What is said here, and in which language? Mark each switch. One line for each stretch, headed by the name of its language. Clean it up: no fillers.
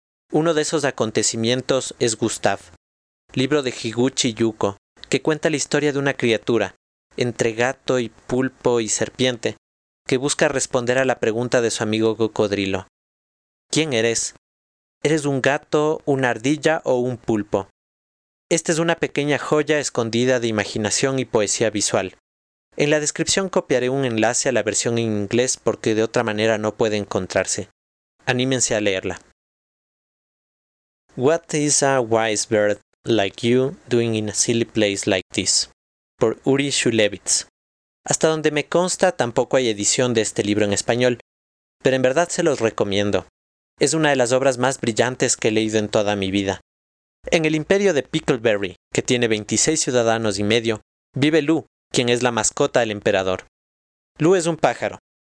Spanish: Uno de esos acontecimientos es Gustave, libro de Higuchi Yuko, que cuenta la historia de una criatura, entre gato y pulpo y serpiente, que busca responder a la pregunta de su amigo cocodrilo. ¿Quién eres? ¿Eres un gato, una ardilla o un pulpo? Esta es una pequeña joya escondida de imaginación y poesía visual. En la descripción copiaré un enlace a la versión en inglés porque de otra manera no puede encontrarse. Anímense a leerla.
English: What is a wise bird like you doing in a silly place like this?
Spanish: Por Uri Shulevitz. Hasta donde me consta, tampoco hay edición de este libro en español, pero en verdad se los recomiendo. Es una de las obras más brillantes que he leído en toda mi vida. En el imperio de Pickleberry, que tiene 26 ciudadanos y medio, vive Lu, quien es la mascota del emperador. Lu es un pájaro.